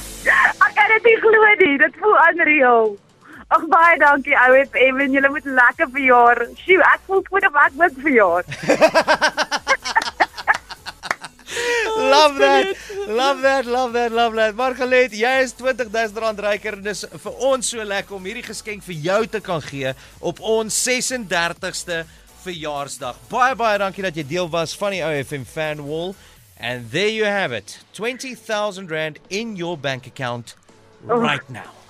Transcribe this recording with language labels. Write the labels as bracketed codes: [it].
[af] Ek kan dit nie glo nie, dit voel unreal. Ach, baie dankie, ouwe FM, en julle moet lekker verjaar. Sjoe, ek voel goed of ek moet verjaar. [en] Love that, love that, love that, love that. [af] Margalit, jy is 20,000 rand ryker, en is vir ons so lekker om hierdie geskenk vir jou te kan gee op ons 36ste verjaarsdag. Baie, baie dankie dat jy deel was van die ouwe FM fan wall. [en] And there you have it. 20,000 rand in your bank account right now.